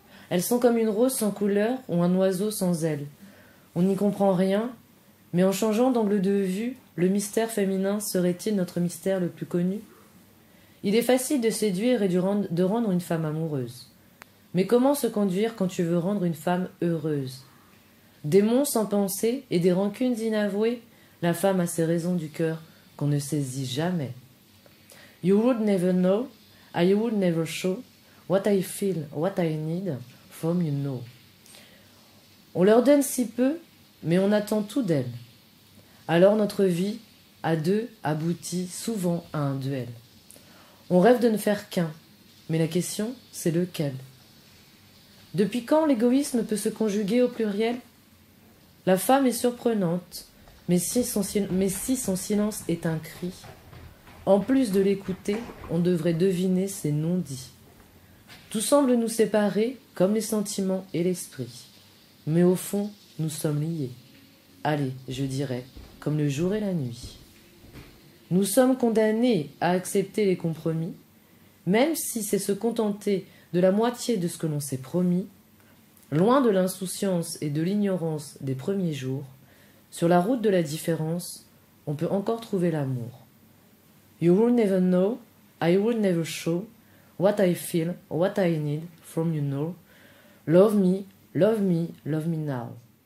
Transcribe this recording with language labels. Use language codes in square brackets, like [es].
[fr] Elles sont comme une rose sans couleur ou un oiseau sans ailes. On n'y comprend rien, mais en changeant d'angle de vue, le mystère féminin serait-il notre mystère le plus connu? Il est facile de séduire et de rendre une femme amoureuse. Mais comment se conduire quand tu veux rendre une femme heureuse? Démons sans pensée et des rancunes inavouées, la femme a ses raisons du cœur qu'on ne saisit jamais. [en] You would never know, I would never show, what I feel, what I need, from you know. [fr] On leur donne si peu, mais on attend tout d'elles. Alors notre vie, à deux, aboutit souvent à un duel. On rêve de ne faire qu'un, mais la question, c'est lequel? Depuis quand l'égoïsme peut se conjuguer au pluriel? La femme est surprenante, mais si son silence est un cri, en plus de l'écouter, on devrait deviner ses non-dits. Tout semble nous séparer, comme les sentiments et l'esprit. Mais au fond, nous sommes liés. Allez, je dirais, comme le jour et la nuit. Nous sommes condamnés à accepter les compromis, même si c'est se contenter de la moitié de ce que l'on s'est promis, loin de l'insouciance et de l'ignorance des premiers jours, sur la route de la différence, on peut encore trouver l'amour. [en] You will never know, I will never show, what I feel, what I need, from you know. Love me, love me, love me now.